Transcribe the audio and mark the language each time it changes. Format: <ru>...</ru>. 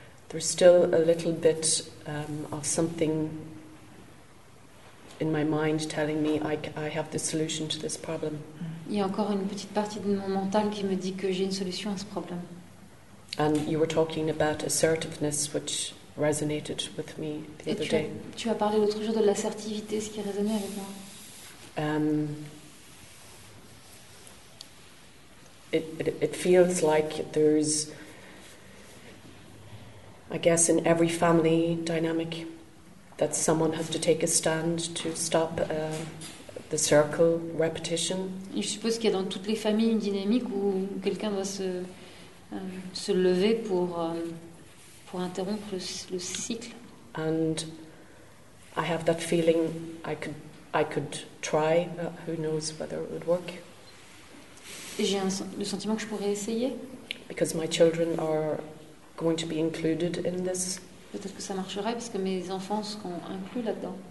<en>There's still a little bit of something in my mind telling me I have the solution to this problem.</en> <fr>Il y a encore une petite partie de mon mental qui me dit que j'ai une solution à ce problème.</fr> <en>And you were talking about assertiveness, which resonated with me the</en> <fr>Et</fr> <en>other</en> <fr>tu</fr> <en>day.</en> <fr>Tu as parlé l'autre jour de l'assertivité, ce qui résonnait avec moi.</fr> <en>It feels like there's, I guess, in every family dynamic, that someone has to take a stand to stop the circle repetition.</en> <fr>Je suppose qu'il y a dans toutes les familles une dynamique où quelqu'un doit se lever pour interrompre le cycle.</fr> <en>And I have that feeling I could try, but who knows whether it would work.</en> <fr>Et j'ai le sentiment que je pourrais essayer.</fr> <en>Because my children are going to be included in this.</en> <fr>Peut-être que ça marcherait parce que mes enfants seront inclus là-dedans.</fr>